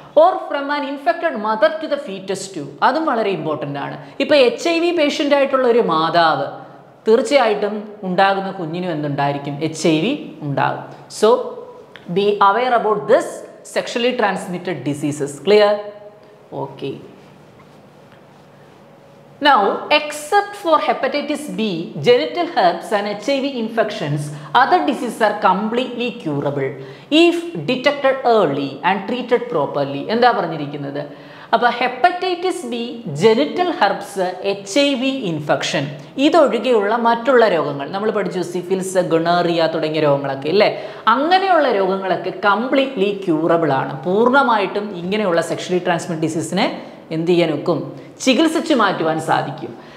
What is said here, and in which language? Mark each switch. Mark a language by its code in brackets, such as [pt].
[en] or from an infected mother to the foetus to, [ml] അതും വളരെ important ആണ്. ഇപ്പോൾ എച്ച് ഐ വി പേഷ്യൻ്റ് ആയിട്ടുള്ള ഒരു മാതാവ് തീർച്ചയായിട്ടും ഉണ്ടാകുന്ന കുഞ്ഞിനും എന്തുണ്ടായിരിക്കും, എച്ച് ഐ വി ഉണ്ടാകും. [en] So be aware about this sexually transmitted diseases. Clear? Okay. Now, except for hepatitis B, genital herpes and HIV infections, other diseases are completely curable if detected early and treated properly. [ml] എന്താ പറഞ്ഞിരിക്കുന്നത്? അപ്പോൾ hepatitis B, genital herbs, H I V infection, ഇതൊഴികെയുള്ള മറ്റുള്ള രോഗങ്ങൾ നമ്മൾ പഠിച്ചു, സിഫിൽസ്, ഗണേറിയ തുടങ്ങിയ രോഗങ്ങളൊക്കെ ഇല്ലേ, അങ്ങനെയുള്ള രോഗങ്ങളൊക്കെ കംപ്ലീറ്റ്ലി ക്യൂറബിൾ ആണ്. പൂർണ്ണമായിട്ടും ഇങ്ങനെയുള്ള സെക്ഷലി ട്രാൻസ്മിറ്റഡ് ഡിസീസിനെ എന്ത് ചെയ്യാൻ ഒക്കും, ചികിത്സിച്ച് മാറ്റുവാൻ സാധിക്കും.